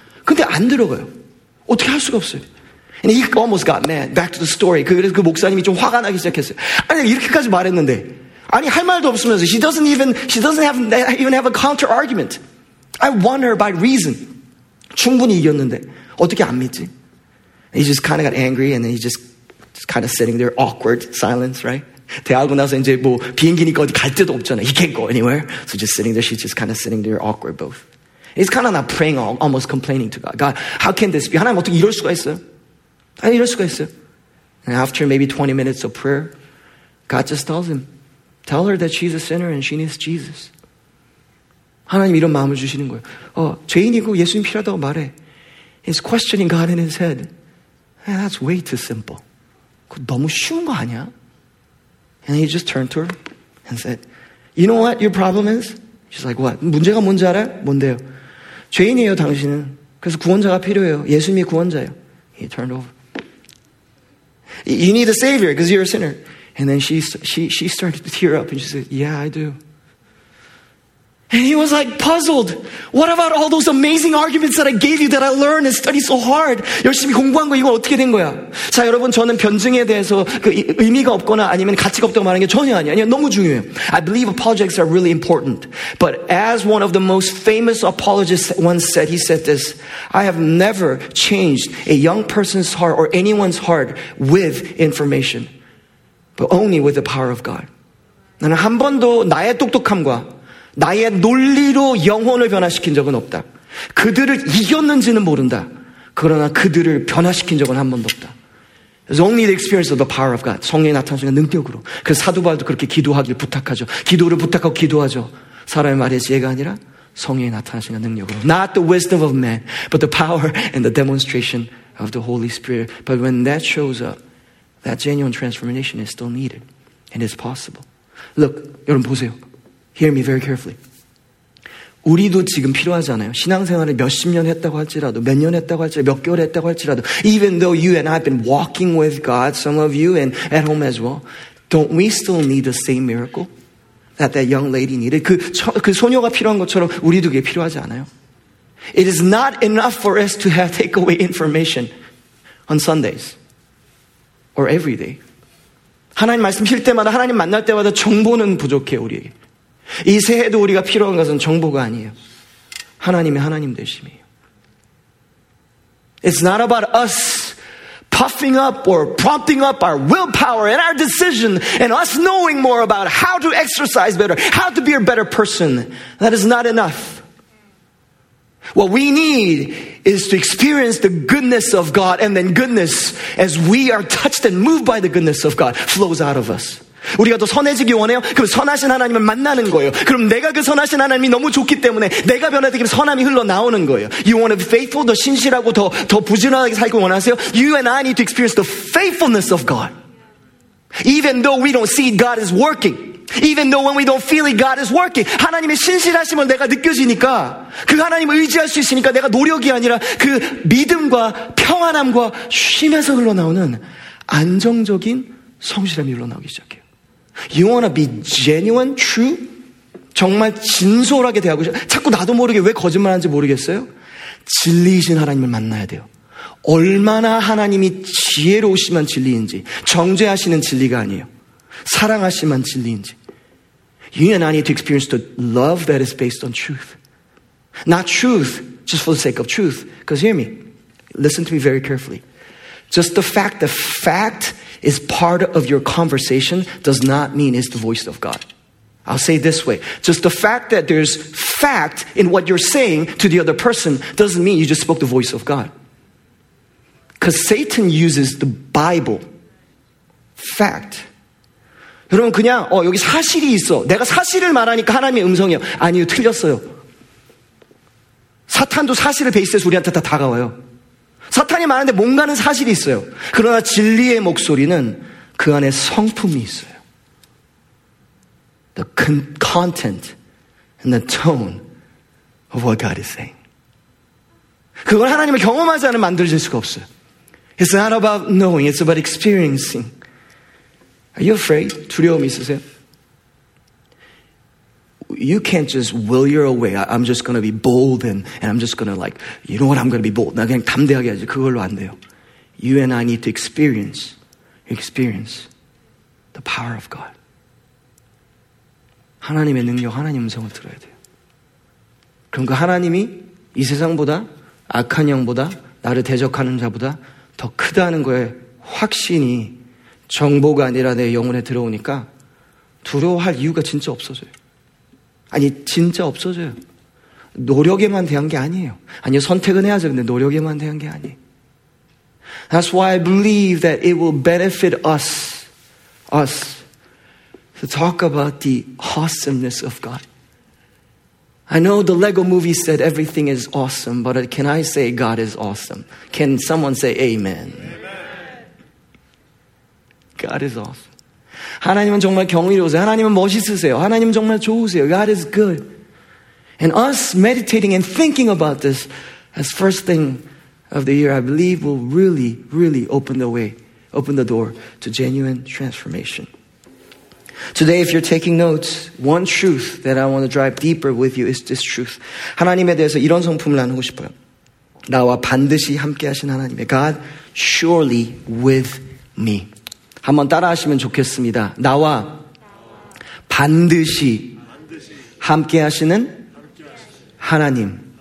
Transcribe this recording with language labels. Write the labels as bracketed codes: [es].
[ko] 근데 안 들어가요. 어떻게 할 수가 없어요. [en] And he almost got mad. Back to the story. [ko] 그래서 그 목사님이 좀 화가 나기 시작했어요. 아니 이렇게까지 말했는데, 아니 할 말도 없으면서 [en] she doesn't even have a counter argument. I won her by reason. [ko] 충분히 이겼는데 어떻게 안 믿지? [en] And he just kind of got angry and then he just kind of sitting there awkward silence, right? [ko] 대하고 나서 이제 뭐 비행기니까 어디 갈 데도 없잖아. [en] He can't go anywhere. So just sitting there, she's just kind of sitting there awkward both. And he's kind of not praying, almost complaining to God. God, how can this be? [ko] 하나님 어떻게 이럴 수가 있어? 아니 이럴 수가 있어요. [en] And after maybe 20 minutes of prayer, God just tells him, tell her that she's a sinner and she needs Jesus. [ko] 하나님 이런 마음을 주시는 거예요. 죄인이고 예수님 필요하다고 말해. [en] He's questioning God in his head. Hey, that's way too simple. [ko] 그거 너무 쉬운 거 아니야? [en] And he just turned to her and said, you know what your problem is? She's like, what? [ko] 문제가 뭔지 알아? 뭔데요? 죄인이에요 당신은. 그래서 구원자가 필요해요. 예수님이 구원자예요. [en] He turned over. You need a savior because you're a sinner. And then she started to tear up and she said, yeah, I do. And he was like puzzled. What about all those amazing arguments that I gave you that I learned and studied so hard? [ko] 열심히 공부한 거 이거 어떻게 된 거야? 자, 여러분 저는 변증에 대해서 그 의미가 없거나 아니면 가치가 없다고 말하는 게 전혀 아니에요. 너무 중요해요. [en] I believe apologetics are really important. But as one of the most famous apologists once said, he said this, I have never changed a young person's heart or anyone's heart with information, but only with the power of God. [ko] 나는 한 번도 나의 똑똑함과 나의 논리로 영혼을 변화시킨 적은 없다. 그들을 이겼는지는 모른다. 그러나 그들을 변화시킨 적은 한 번도 없다. [en] It's only the experience of the power of God. [ko] 성령이 나타난 순간 능력으로. 그래서 사도바울도 그렇게 기도하길 부탁하죠. 기도를 부탁하고 기도하죠. 사람의 말의 지혜가 아니라 성령이 나타난 순간 능력으로. [en] Not the wisdom of man, but the power and the demonstration of the Holy Spirit. But when that shows up, that genuine transformation is still needed. And it's possible. Look, [ko] 여러분 보세요. [en] Hear me very carefully. [ko] 우리도 지금 필요하잖아요. 신앙생활을 몇십 년 했다고 할지라도, [en] 몇 년 했다고 할지라도, 몇 개월 했다고 할지라도, even though you and I have been walking with God, some of you and at home as well, don't we still need the same miracle that that young lady needed? [ko] 그 소녀가 필요한 것처럼 우리도 그게 필요하지 않아요? [en] It is not enough for us to have take away information on Sundays or every day. [ko] 하나님 말씀 쉴 때마다, 하나님 만날 때마다 정보는 부족해요, 우리에게. 이 새해도 우리가 필요한 것은 정보가 아니에요. 하나님의 하나님 되심이에요. [en] It's not about us puffing up or prompting up our willpower and our decision and us knowing more about how to exercise better, how to be a better person, that is not enough. What we need is to experience the goodness of God, and then goodness, as we are touched and moved by the goodness of God, flows out of us. [ko] 우리가 또 선해지기 원해요? 그럼 선하신 하나님을 만나는 거예요. 그럼 내가 그 선하신 하나님이 너무 좋기 때문에 내가 변화되기 때문에 선함이 흘러나오는 거예요. [en] You want to be faithful, [ko] 더 신실하고 더 부지런하게 살고 원하세요? [en] You and I need to experience the faithfulness of God. Even though we don't see God is working. Even though when we don't feel it, God is working. [ko] 하나님의 신실하심을 내가 느껴지니까 그 하나님을 의지할 수 있으니까 내가 노력이 아니라 그 믿음과 평안함과 쉼에서 흘러나오는 안정적인 성실함이 흘러나오기 시작해요. You want to be genuine, true? 정말 진솔하게 대하고 싶어요. 자꾸 나도 모르게 왜 거짓말하는지 모르겠어요. 진리이신 하나님을 만나야 돼요. 얼마나 하나님이 지혜로우시면 진리인지, 정죄하시는 진리가 아니에요. 사랑하시면 진리인지. [en] You and I need to experience the love that is based on truth. Not truth, just for the sake of truth. Because hear me, listen to me very carefully. Just the fact is part of your conversation does not mean it's the voice of God. I'll say it this way. Just the fact that there's fact in what you're saying to the other person doesn't mean you just spoke the voice of God. Because Satan uses the Bible. Fact. [ko] 여러분 그냥 여기 사실이 있어. 내가 사실을 말하니까 하나님의 음성이에요. 아니요, 틀렸어요. 사탄도 사실을 베이스해서 우리한테 다 다가와요. 사탄이 말하는데 뭔가는 사실이 있어요. 그러나 진리의 목소리는 그 안에 성품이 있어요. [en] The content and the tone of what God is saying. [ko] 그걸 하나님을 경험하지 않으면 만들어질 수가 없어요. [en] It's not about knowing, it's about experiencing. Are you afraid? [ko] 두려움이 있으세요? [en] You can't just will your way. I'm just going to be bold and I'm just going to like, you know what, I'm going to be bold. [ko] 나 그냥 담대하게 하지. 그걸로 안 돼요. [en] You and I need to experience the power of God. [ko] 하나님의 능력, 하나님의 음성을 들어야 돼요. 그럼 그 하나님이 이 세상보다, 악한 영보다, 나를 대적하는 자보다 더 크다는 거에 확신이 정보가 아니라 내 영혼에 들어오니까 두려워할 이유가 진짜 없어져요. 아니 진짜 없어져요. 노력에만 대한 게 아니에요. 아니 선택은 해야죠. 근데 노력에만 대한 게 아니에요. [en] That's why I believe that it will benefit us to talk about the awesomeness of God. I know the Lego movie said everything is awesome, but can I say God is awesome? Can someone say amen? Amen. God is awesome. [ko] 하나님은 정말 경이로우세요. 하나님은 멋있으세요. 하나님은 정말 좋으세요. [en] God is good. And us meditating and thinking about this as first thing of the year, I believe will really, really open the door to genuine transformation. Today, if you're taking notes, one truth that I want to drive deeper with you is this truth. [ko] 하나님에 대해서 이런 성품을 나누고 싶어요. 나와 반드시 함께 하신 하나님의 [en] God, surely with me. [ko] 한번 따라하시면 좋겠습니다. 나와 반드시 함께하시는 하나님.